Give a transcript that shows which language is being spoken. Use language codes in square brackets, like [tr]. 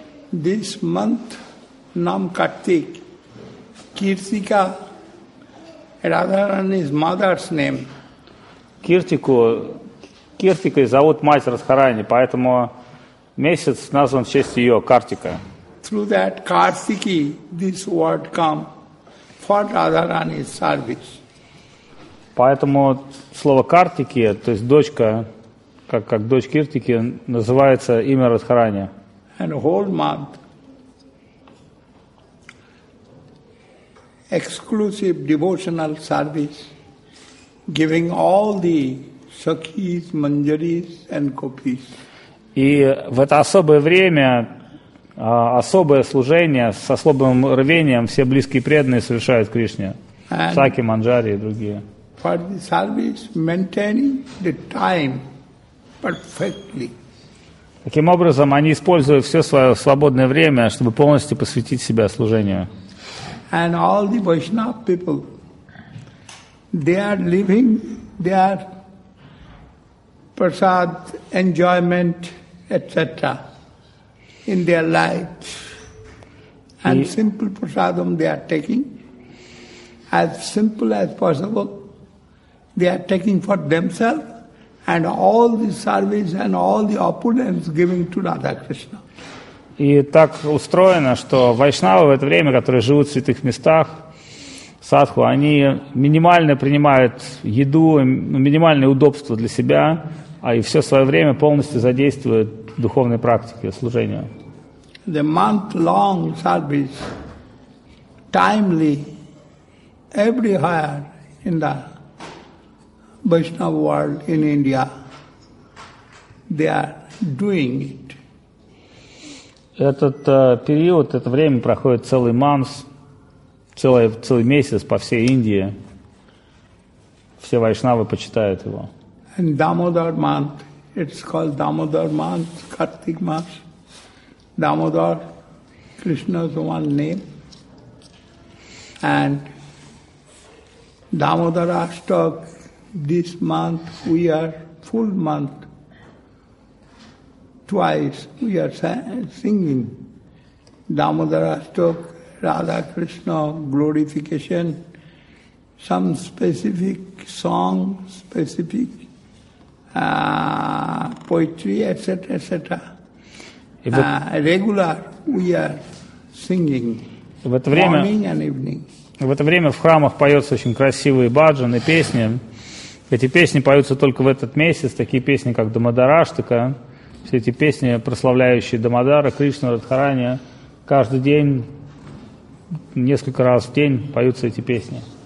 [en] This month, Nam Kartik, Kirtika, Radharani's mother's name. [ru] Киртикой зовут мать Радхарани, поэтому месяц назван в честь ее, Картика. [en] Through that Kartiki, this word come for Radharani's service. [ru] Поэтому слово Картики, то есть дочка, как дочь Киртики, называется имя Радхарани. [en] And whole month exclusive devotional service giving all the sakhis, manjaris and gopis. [ru] И в это особое время, особое служение с особым рвением все близкие преданные совершают Кришне. Саки, манджари и другие. [en] For the service, maintaining the time perfectly. [ru] Таким образом, они используют все свое свободное время, чтобы полностью посвятить себя служению. [en] And all the Vaishnava people, they are living their prasad, enjoyment, etc. in their lives. And simple prasadam they are taking, as simple as possible, they are taking for themselves and all the service and all the opulence giving to Radha Krishna. [ru] И так устроено, что вайшнавы в это время, которые живут в святых местах, садху, они минимально принимают еду, минимальное удобство для себя, а и все свое время полностью задействуют в духовной практике, служению. [en] The month-long service, timely, everywhere in the Vaishnava world in India, they are doing it. [ru] Этот период, это время проходит целый манс, целый месяц по всей Индии. Все вайшнавы почитают его. [en] And Damodar month, it's called Damodar month, Kartik month. Damodar, Krishna's one name. And Damodar Ashtak, this month we are full month. Twice we are singing Damodar Ashtak, Radha Krishna glorification, some specific song, specific poetry, etc., etc. Regular we are singing morning and evening. [ru] В это время в храмах поются очень красивые баджаны, песни. Эти песни поются только в этот месяц, такие песни, как Дамодар Аштака. Все эти песни, прославляющие Дамодара, Кришну, Радхарани, каждый день, несколько раз в день поются эти песни.